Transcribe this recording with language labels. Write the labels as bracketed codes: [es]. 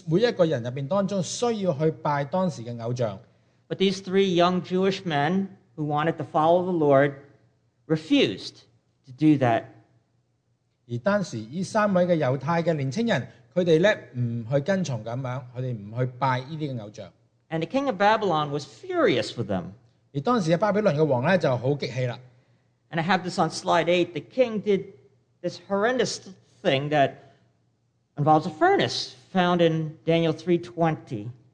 [zh] 而当时的就是他们呢，当时的政府讲的就话，他们每一个人，每一个人入面当中需要去拜当时的偶像。 [en] But these three young Jewish men who wanted to follow the Lord refused to do that. [zh] 而当时这三位的犹太的年轻人， 他们不去跟从这样，他们不去拜这些偶像。 [en] And the king of Babylon was furious with them. [zh] 而当时巴比伦的王就很激气了。 [en] And I have this on slide 8. The king did this horrendous thing that involves a furnace found in Daniel 3:20.